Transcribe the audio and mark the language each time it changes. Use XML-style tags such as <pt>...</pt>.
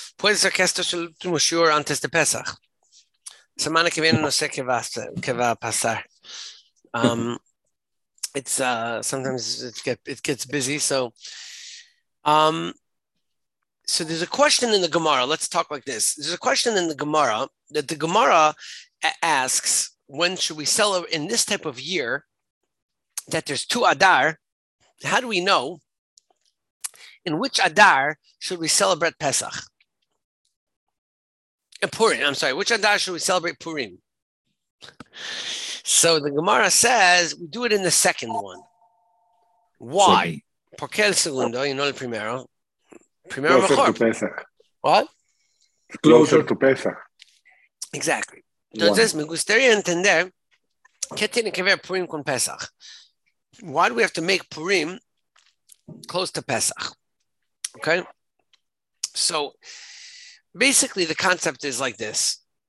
<es>Puede ser que esto sea el último shiur antes de Pesach. Semana que viene no sé qué va a pasar.</es> <en>It's sometimes it gets busy. So there's a question in the Gemara. Let's talk like this. There's a question in the Gemara that the Gemara asks, when should we celebrate in this type of year that there's two Adar? How do we know in which Adar should we celebrate Pesach? And Purim, I'm sorry, which Adar should we celebrate Purim? So the Gemara says, we do it in the second one. Why? Second.</en> <es>Porque el segundo, y no el primero. Primero</es> <en>closer</en> <es>mejor.</es> <en>To Pesach. What? Closer to Pesach. Exactly.</en> <es>Entonces, me gustaría entender qué tiene que ver Purim con Pesach.</es> <en>Why do we have to make Purim close to Pesach? Okay? So, basically, the concept is like this.</en>